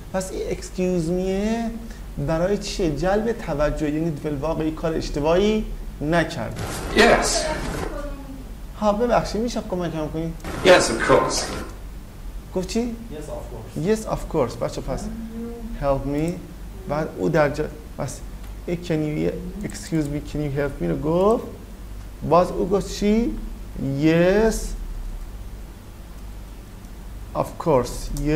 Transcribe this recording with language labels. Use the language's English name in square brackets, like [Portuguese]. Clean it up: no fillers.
[Persian] پس این اکسکیوز میه برای چیه؟ جلب توجه یعنی دفل واقعی کار اشتباهی نکرده. [English] Yes. [Persian] ها ببخشید میشه کمکم کنید؟ [English] Yes, of course. [Persian] گفت چی؟ [English] Yes, of course. [Persian] بچه پس [English] help me. [Persian] بعد او در جا پس [English] can you excuse me, can you help me [Persian] رو گفت. باز او گفت چی؟ [English] Yes, of course.